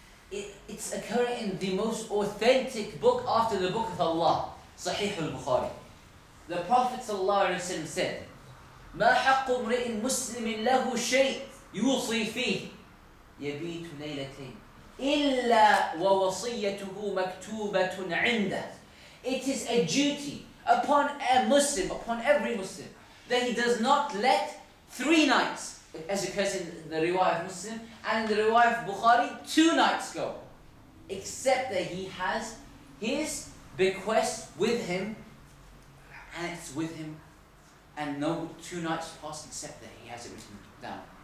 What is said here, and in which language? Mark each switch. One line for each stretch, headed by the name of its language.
English: It's occurring in the most authentic book after the book of Allah, Sahih al-Bukhari. The Prophet ﷺ said,
Arabic: مَا حَقُّ مْرِئٍ مُسْلِمٍ لَهُ شَيْءٍ يُوصِي فِيهِ يَبِيتُ لَيْلَتَيْنِ إِلَّا وَوَصِيَّتُهُ مَكْتُوبَةٌ عِنْدَهُ.
English: It is a duty upon a Muslim, upon every Muslim, that he does not let 3 nights, as occurs in the riwayah of Muslim, and in the riwayah of Bukhari, 2 nights go, except that he has his bequest with him, and it's with him, and no 2 nights pass except that he has it written down.